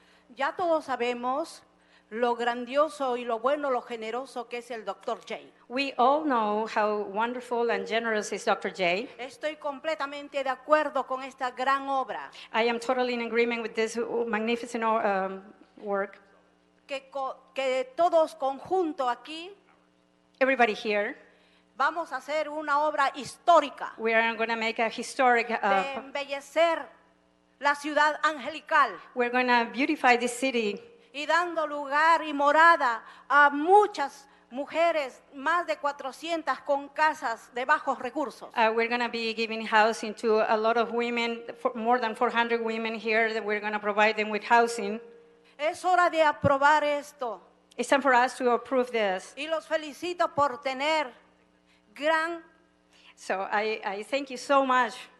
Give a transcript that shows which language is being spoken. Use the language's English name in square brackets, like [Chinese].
[Spanish] Ya todos sabemos lo grandioso y lo bueno, lo generoso que es el Dr. J. [English] We all know how wonderful and generous is Dr. J. [Spanish] Estoy completamente de acuerdo con esta gran obra. [English] I am totally in agreement with this magnificent work. [Spanish] Que todos conjunto aquí. [English] Everybody here. [Spanish] Vamos a hacer una obra histórica. [English] We are going to make a historic. [Spanish] De embellecer. La ciudad angelical. [English] We're going to beautify this city. [Spanish] Y dando lugar y morada a muchas mujeres, más de 400 con casas de bajos recursos. [English] We're going to be giving housing to a lot of women, more than 400 women here that we're going to provide them with housing. [Spanish] Es hora de aprobar esto. [English] It's time for us to approve this. [Spanish] Y los felicito por tener gran [English] So I thank you so much.